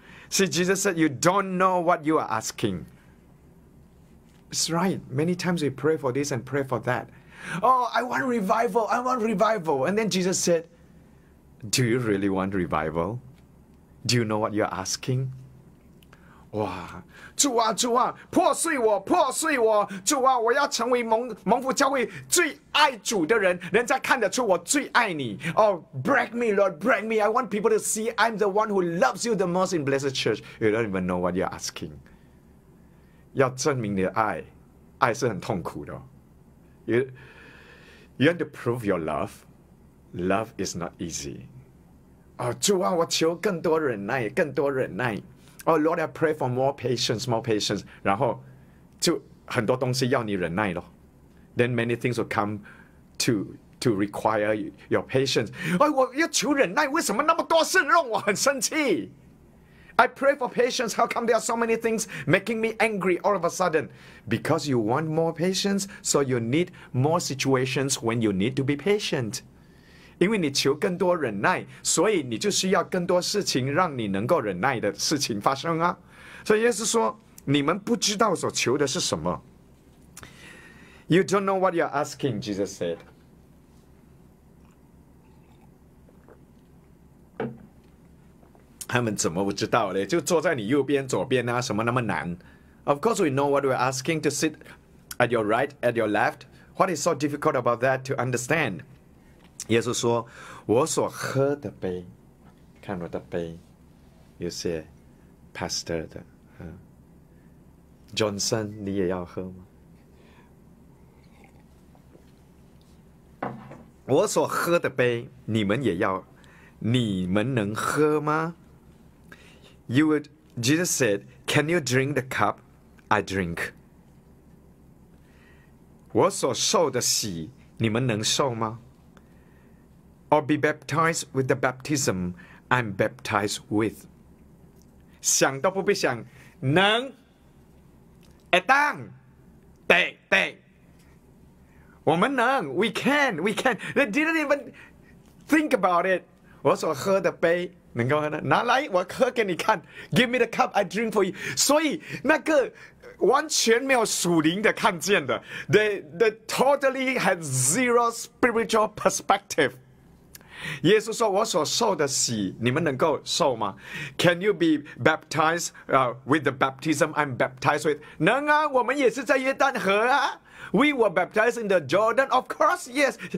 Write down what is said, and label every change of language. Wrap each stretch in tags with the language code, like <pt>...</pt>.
<en>See, Jesus said, you don't know what you are asking. It's right. Many times we pray for this and pray for that. Oh, I want revival, I want revival. And then Jesus said, do you really want revival? Do you know what you are asking?</en> <zh>哇，主啊，主啊，破碎我，破碎我，主啊，我要成为蒙福教会最爱主的人，人家看得出我最爱你。</zh> <en>Oh, break me, Lord, break me. I want people to see I'm the one who loves you the most in Blessed Church. You don't even know what you're asking.</en> <zh>要证明你的爱，爱是很痛苦的。</zh> <en>You have to prove your love. Love is not easy.</en> <zh>Oh, 主啊，我求更多忍耐，更多忍耐。</zh> <en>Oh Lord, I pray for more patience, more patience.</en> <zh>然后就很多东西要你忍耐咯。</zh> <en>Then many things will come to require your patience.</en> <zh>哎，我要求忍耐，为什么那么多事让我很生气？</zh> <en>I pray for patience. How come there are so many things making me angry all of a sudden? Because you want more patience, so you need more situations when you need to be patient.</en> <zh>因为你求更多忍耐，所以你就需要更多事情让你能够忍耐的事情发生啊。所以耶稣说，你们不知道所求的是什么。</zh> <en>You don't know what you're asking, Jesus said.</en> <zh>他们怎么不知道呢？就坐在你右边、左边啊，什么那么难？</zh> <en>Of course we know what we're asking to sit at your right, at your left. What is so difficult about that to understand?</en> <zh>耶稣说，我所喝的杯，看我的杯，有些 pastor 的，Johnson， 你也要喝吗？我所喝的杯，你们也要，你们能喝吗？</zh> <en>Jesus said, can you drink the cup I drink?</en> <zh>我所受的洗，你们能受吗？</zh> <en>Or be baptized with the baptism I'm baptized with.</en> <zh>想都不必想，能，会当，得得，我们能 ，</zh> <en>we can. They didn't even think about it.</en> <zh>我所喝的杯能够喝的，拿来我喝给你看。</zh> <en>Give me the cup I drink for you.</en> <zh>所以那个完全没有属灵的看见的 ，</zh> <en>they totally had zero spiritual perspective.</en> <zh>耶稣说，我所受的洗，你们能够受吗？</zh> <en>Can you be baptized with the baptism I'm baptized with?</en> <zh>能啊，我们也是在约旦河啊。</zh> <en>We were baptized in the Jordan, of course, yes.</en>